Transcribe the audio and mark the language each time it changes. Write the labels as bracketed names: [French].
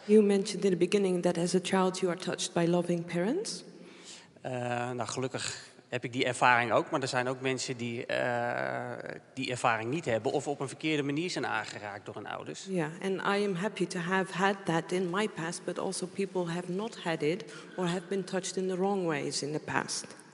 [English] You mentioned in the beginning that as a child you are touched by loving parents. [Dutch] Gelukkig heb ik die ervaring ook, maar er zijn ook mensen die die ervaring niet hebben of op een verkeerde manier zijn aangeraakt door hun ouders. [English] Yeah, and I am happy to have had that in my past, but also people have not had it or have been touched in the wrong ways in the past.